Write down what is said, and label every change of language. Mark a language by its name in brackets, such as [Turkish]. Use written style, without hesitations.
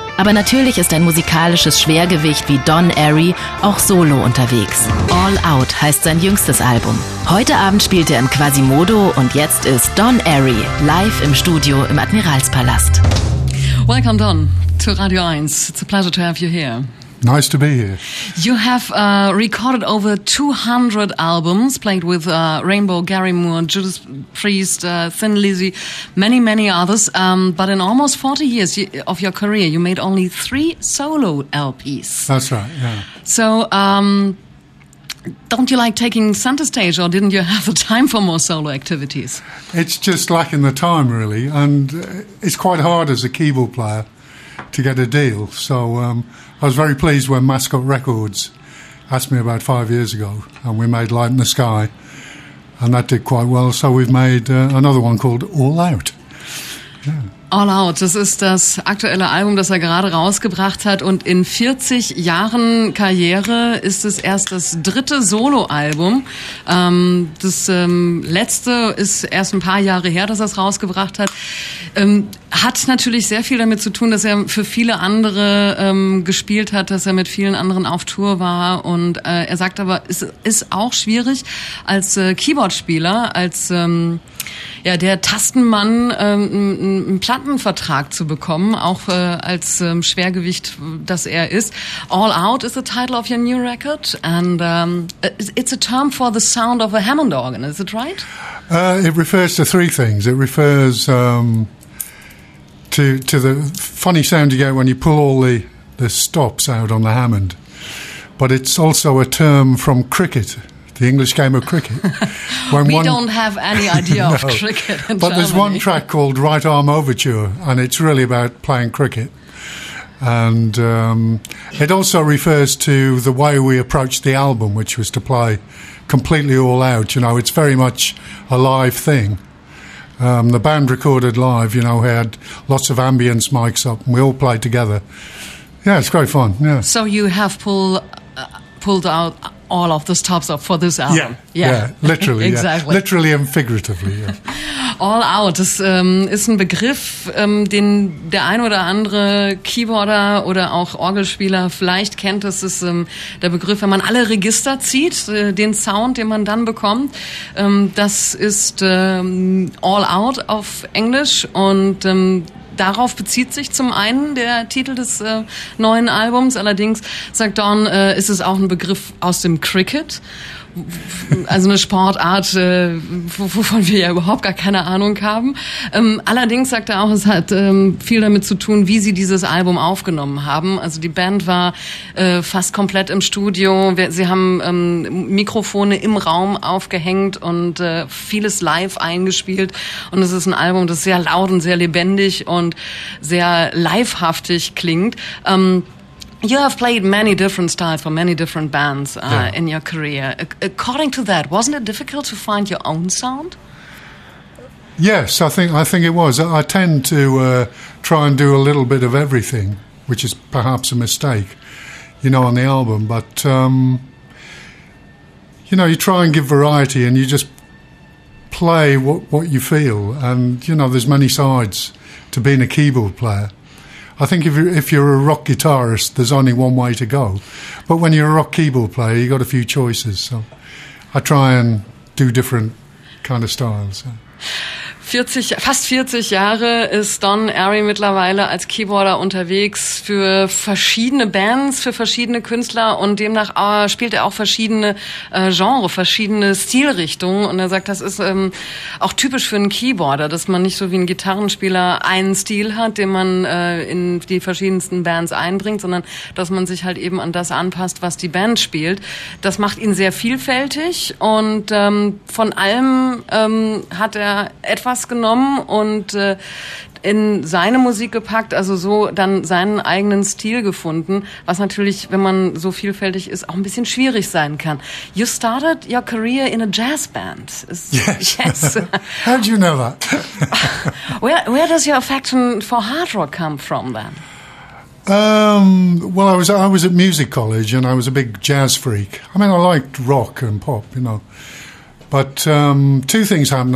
[German] Aber natürlich ist ein musikalisches Schwergewicht wie Don Airey auch solo unterwegs. All Out heißt sein jüngstes Album. Heute Abend spielt er im Quasimodo und jetzt ist Don Airey live im Studio im Admiralspalast. [English] Welcome, Don, to Radio 1. It's a pleasure to have you here. Nice to be here. You have recorded over 200 albums, played with Rainbow, Gary Moore, Judas Priest, Thin Lizzy, many, many others. But in almost 40 years of your career, you made only 3 solo LPs. That's right, yeah. So don't you like taking center stage, or didn't you have the time for more solo activities? It's just lacking the time, really. And it's quite hard as a keyboard player to get a deal. So I was very pleased when Mascot Records asked me about 5 years ago, and we made Light in the Sky, and that did quite well. So we've made another one called All Out. Yeah. [German] All Out, das ist das aktuelle Album, das gerade rausgebracht hat. Und in 40 Jahren Karriere ist es erst das dritte Soloalbum. Letzte ist erst ein paar Jahre her, dass er es rausgebracht hat. Hat natürlich sehr viel damit zu tun, dass er für viele andere gespielt hat, dass er mit vielen anderen auf Tour war. Und er sagt aber, es ist auch schwierig als Keyboardspieler, als der Tastenmann, einen Plattenvertrag zu bekommen, auch als Schwergewicht, das er ist. [English] All Out is the title of your new record, and it's a term for the sound of a Hammond organ, is it right? It refers to 3 things. It refers to the funny sound you get when you pull all the stops out on the Hammond, but it's also a term from cricket. The English game of cricket. We don't have any idea of cricket in but Germany. There's one track called Right Arm Overture, and it's really about playing cricket. And it also refers to the way we approached the album, which was to play completely all out. You know, it's very much a live thing. The band recorded live, you know, had lots of ambience mics up, and we all played together. Yeah, it's great fun, yeah. So you have pulled out all of the stops up for this album. Yeah, literally. Exactly. Yeah. Literally and figuratively, yeah. [German] All Out, das ist ein Begriff, den der ein oder andere Keyboarder oder auch Orgelspieler vielleicht kennt. Das ist der Begriff, wenn man alle Register zieht, den Sound, den man dann bekommt. Das ist All Out auf Englisch. Und darauf bezieht sich zum einen der Titel des neuen Albums. Allerdings, sagt Don, ist es auch ein Begriff aus dem Cricket. Also eine Sportart, wovon wir ja überhaupt gar keine Ahnung haben. Allerdings sagt er auch, es hat viel damit zu tun, wie sie dieses Album aufgenommen haben. Also die Band war fast komplett im Studio. Sie haben Mikrofone im Raum aufgehängt und vieles live eingespielt. Und es ist ein Album, das sehr laut und sehr lebendig und sehr livehaftig klingt. [English] You have played many different styles for many different bands in your career. According to that, wasn't it difficult to find your own sound? Yes, I think it was. I tend to try and do a little bit of everything, which is perhaps a mistake, you know, on the album. But, you know, you try and give variety and you just play what you feel. And, you know, there's many sides to being a keyboard player. I think if you're a rock guitarist, there's only one way to go. But when you're a rock keyboard player, you've got a few choices. So I try and do different kind of styles. [German] 40, fast 40 Jahre ist Don Airey mittlerweile als Keyboarder unterwegs für verschiedene Bands, für verschiedene Künstler, und demnach spielt er auch verschiedene Genre, verschiedene Stilrichtungen. Und er sagt, das ist auch typisch für einen Keyboarder, dass man nicht so wie ein Gitarrenspieler einen Stil hat, den man in die verschiedensten Bands einbringt, sondern dass man sich halt eben an das anpasst, was die Band spielt. Das macht ihn sehr vielfältig, und von allem hat er etwas Kontrabass genommen und in seine Musik gepackt, also so dann seinen eigenen Stil gefunden, was natürlich, wenn man so vielfältig ist, auch ein bisschen schwierig sein kann. [English] You started your career in a jazz band. Yes. How do you know that? where does your affection for hard rock come from then? Well, I was at music college and I was a big jazz freak. I mean, I liked rock and pop, you know. But two things happened.